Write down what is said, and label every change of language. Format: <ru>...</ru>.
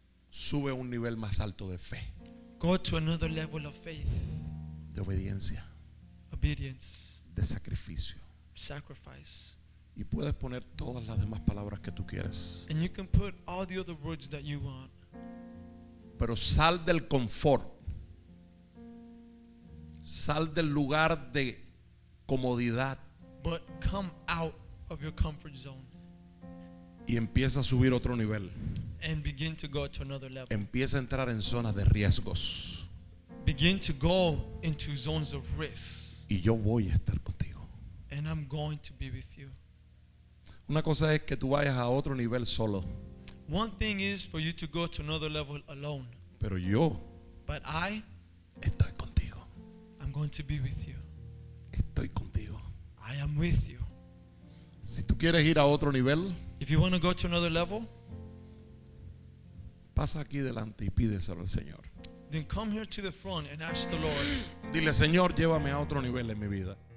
<es>Sube un nivel más alto de fe.</es> <en>Go to another level of faith.</en> <es>De obediencia.</es> <en>Obedience.</en> <es>De sacrificio.</es> <en>Sacrifice.</en> <es>Y puedes poner todas las demás palabras que tú quieras.</es> <en>And you can put all the other words that you want.</en> <es>Pero sal del confort. Sal del lugar de comodidad.</es> <en>But come out of your comfort zone.</en> <es>Y empieza a subir otro nivel.</es> <en>And begin to go to another level.</en> <es>Empieza a entrar en zonas de riesgos.</es> <en>Begin to go into zones of risk.</en> <es>Y yo voy a estar contigo.</es> <en>And I'm going to be with you.</en> <es>Una cosa es que tú vayas a otro nivel solo.</es> <en>One thing is for you to go to another level alone.</en> <es>Pero yo,</es> <en>but I,</en> <es>estoy contigo.</es> <en>I'm going to be with you.</en> <es>Estoy contigo.</es> <en>I am with you.</en> <es>Si tú quieres ir a otro nivel,</es> <en>if you want to go to another level,</en> <es>pasa aquí delante y pídeselo al Señor.</es> <en>Then come here to the front and ask the Lord.</en> <es>Dile, Señor, llévame a otro nivel en mi vida.</es>